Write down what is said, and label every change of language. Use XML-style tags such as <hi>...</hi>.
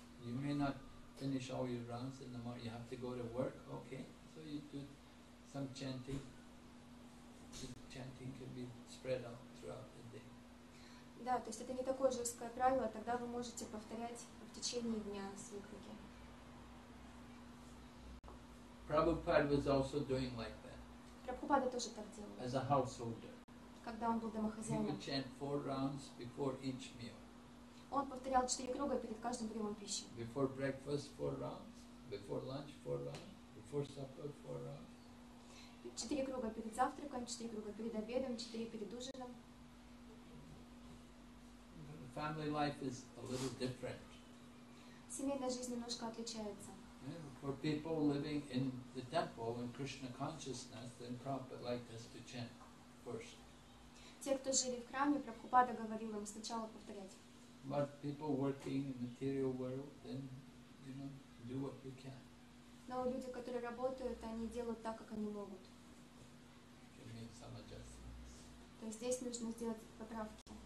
<en>You may not finish all your rounds in the morning. You have to go to work. Okay, so you do some chanting. The chanting can be spread out throughout the day.</en> <ru>Да, то есть это не такое жесткое правило. Тогда вы можете повторять в течение дня свои круги.</ru> <en>Prabhupada was also doing like that.</en> <ru>Прабхупада тоже так делал.</ru> <en>As a householder.</en> <ru>Когда он был домохозяином.</ru> <en>He would chant 4 rounds before each meal.</en> <ru>Он повторял 4 круга перед каждым приемом пищи.</ru> <en>Before breakfast 4 rounds, before lunch 4 rounds, before supper 4 rounds.</en> <ru>4 круга перед завтраком, 4 круга перед обедом, 4 перед ужином.</ru> <en>The family life is a little different.</en> <ru>Семейная жизнь немножко отличается.</ru> <en>For people living in the temple in Krishna consciousness, then Prabhupada liked us to chant first.</en> <ru>Те, кто жили в храме, Прабхупада говорил им сначала повторять.</ru> <en>But people working in the material world, then, you know, do what you can.</en> <ru>Но люди, которые работают, они делают так, как они могут.</ru> <en>You can make some adjustments.</en> <ru>То есть здесь нужно сделать поправки.</ru>